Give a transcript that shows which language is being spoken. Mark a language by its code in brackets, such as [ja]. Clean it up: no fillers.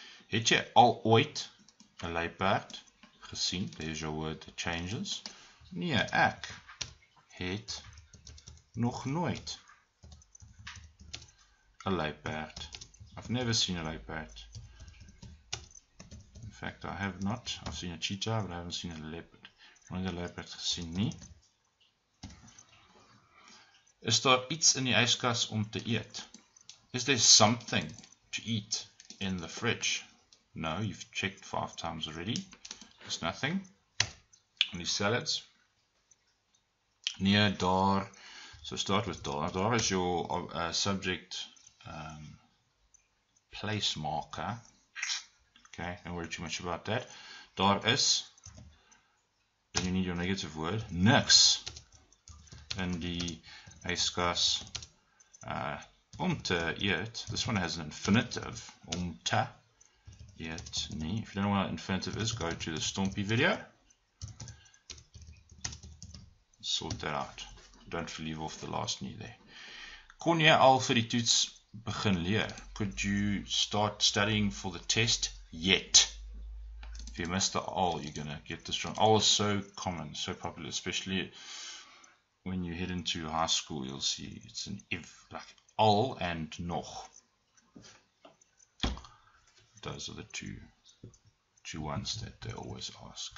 [af] Het jy al ooit 'n luiperd gesien? [en] There's your word that changes. [af] Nee, ek het nog nooit 'n luiperd. [en] I've never seen a luiperd. In fact, I have not. I've seen a cheetah, but I haven't seen a leopard. [af] Nog nie 'n leopard gesien nie. Is daar iets in die yskas om te eet? [en] Is there something to eat in the fridge? No, you've checked 5 times already. There's nothing. Any salads? [af] Nee, daar. [en] So start with daar. Daar is your subject place marker. Okay, don't worry too much about that. Daar is, then you need your negative word, [af] niks in die yskas om te eet. [en] This one has an infinitive, [af] om te eet nie. [en] If you don't know what infinitive is, go to the Stompy video. Sort that out. Don't leave off the last nie there. [af] Kon jy al vir die toets begin leer? [en] Could you start studying for the test? Yet. If you miss the all, you're going to get this wrong. All is so common, so popular, especially when you head into high school, you'll see it's an if, like all and noch. Those are the two ones that they always ask.